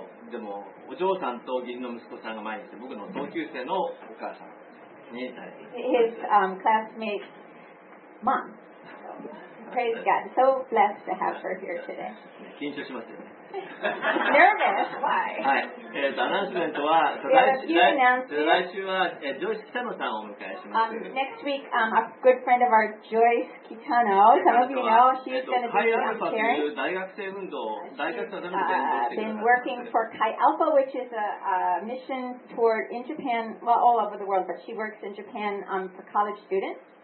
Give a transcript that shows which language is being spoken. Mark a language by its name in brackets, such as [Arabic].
[Japanese] でもお嬢さんと義理の息子さんが前にいて僕の同級生のお母さんに [English] His classmate mom. Praise God. So blessed to have her here today. [Japanese] 緊張しますよね。 [English] Nervous? Why? [Japanese] はい。アナウンスメントは来週はジョイス・キタノさんをお迎えします。 [English] Next week, a good friend of ours, Joyce Kitano. Some of you know she's going to be caring. [Japanese] Chi Alpha という大学生運動、大学生のために。 [English] She's been working for Chi Alpha, which is a mission toward in Japan, well, all over the world, but she works in Japan for college students.